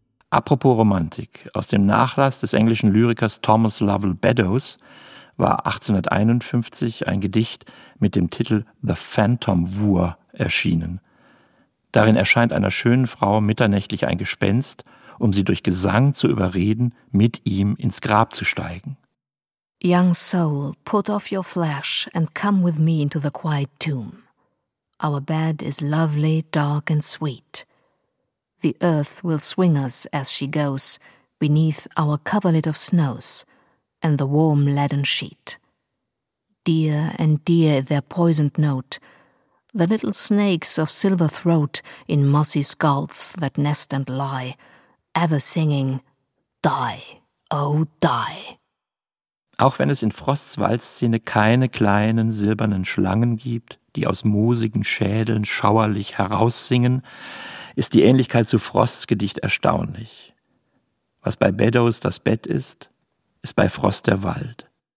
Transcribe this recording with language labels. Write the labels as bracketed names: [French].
[German] Apropos Romantik. Aus dem Nachlass des englischen Lyrikers Thomas Lovell Beddoes war 1851 ein Gedicht mit dem Titel The Phantom Wooer erschienen. Darin erscheint einer schönen Frau mitternächtlich ein Gespenst, um sie durch Gesang zu überreden, mit ihm ins Grab zu steigen. [English] Young soul, put off your flesh and come with me into the quiet tomb. Our bed is lovely, dark and sweet. The earth will swing us as she goes beneath our coverlet of snows and the warm leaden sheet. Dear and dear their poisoned note, the little snakes of silver throat in mossy skulls that nest and lie, ever singing, die, oh die. [German] Auch wenn es in Frosts Waldszene keine kleinen silbernen Schlangen gibt, die aus moosigen Schädeln schauerlich heraussingen, ist die Ähnlichkeit zu Frosts Gedicht erstaunlich. Was bei Beddoes das Bett ist, ist bei Frost der Wald.